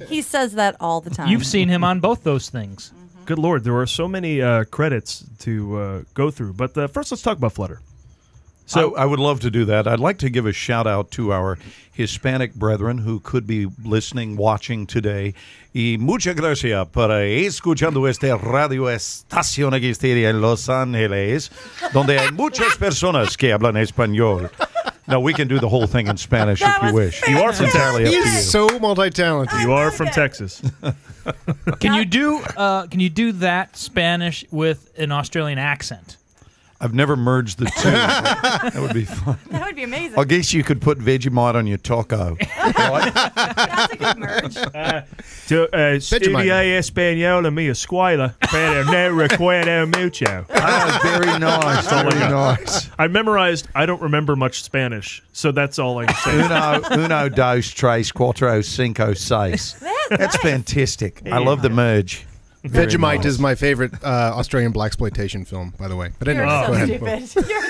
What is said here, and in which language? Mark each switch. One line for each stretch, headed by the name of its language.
English: He says that all the time. You've seen him on both those things. Mm-hmm. Good Lord, there are so many credits to go through. But first, let's talk about Flutter. So I would love to do that. I'd like to give a shout out to our Hispanic brethren who could be listening, watching today.
Spanish: Y muchas gracias por escuchando esta radio estación aquí en Los Ángeles, donde hay muchas personas que hablan español.
English: Now we can do the whole thing in Spanish that if you wish. Famous. You are from Texas. He's so multi-talented. You are from Texas. Can you do that Spanish with an Australian accent? I've never merged the two. That would be fun. That would be amazing. I guess you could put Vegemite on your taco. That's a good merge.
Spanish: Estudia español a mi escuela, pero no recuerdo mucho.
English: Very nice. Very nice. I memorized, I don't remember much Spanish, so that's all I can say.
Spanish: Uno, dos, tres, cuatro, cinco, seis.
English: That's fantastic. Yeah. I love the merge. Very Vegemite nice. Is my favorite Australian blaxploitation film, by the way. But anyway, you're so go ahead. Stupid.